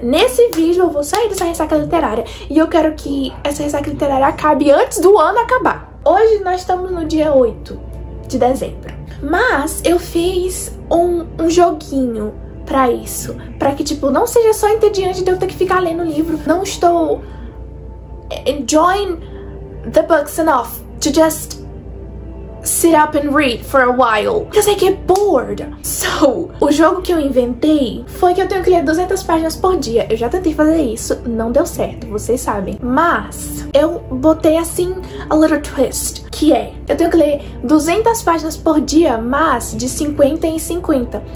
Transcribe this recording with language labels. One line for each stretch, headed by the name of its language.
Portuguese: Nesse vídeo eu vou sair dessa ressaca literária. E eu quero que essa ressaca literária acabe antes do ano acabar. Hoje nós estamos no dia 8 de dezembro. Mas eu fiz um joguinho pra isso. Pra que, tipo, não seja só entediante de eu ter que ficar lendo o livro. Não estou
English: enjoying the books enough to just sit up and read for a while. Because I get bored.
Portuguese: So, o jogo que eu inventei foi que eu tenho que ler 200 páginas por dia. Eu já tentei fazer isso, não deu certo, vocês sabem. Mas eu botei assim
English: a little twist.
Portuguese: Que é, eu tenho que ler 200 páginas por dia, mas de 50 em 50.